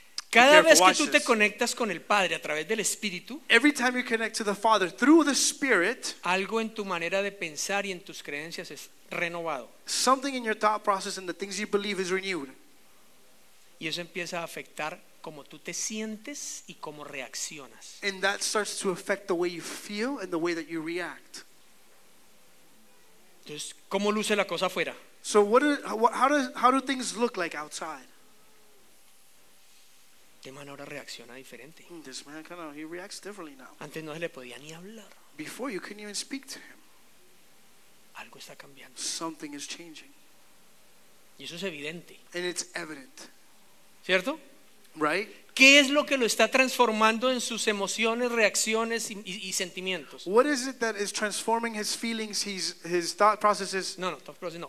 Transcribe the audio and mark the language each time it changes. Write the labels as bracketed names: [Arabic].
[Spanish] Cada vez que tú te conectas con el Padre a través del Espíritu, [English] every time you connect to the Father through the Spirit, [Spanish] algo en tu manera de pensar y en tus creencias es renovado. [English] Something in your thought process and the things you believe is renewed. [Spanish] Y eso empieza a afectar cómo tú te sientes y cómo reaccionas. [English] And that starts to affect the way you feel and the way that you react. [Spanish] Entonces, ¿cómo luce la cosa afuera? [English] So how do things look like outside? [Spanish] De manera reacciona diferente. [English] This man kind of, he reacts differently now. [Spanish] Antes no se le podía ni hablar. [English] Before you couldn't even speak to him. [Spanish] Algo está cambiando. [English] Something is changing. [Spanish] Y eso es evidente. [English] And it's evident. [Spanish] ¿Cierto? [English] Right? [Spanish] ¿Qué es lo que lo está transformando en sus emociones, reacciones y sentimientos? [English] What is it that is transforming his feelings, his thought processes? No, thought processes no.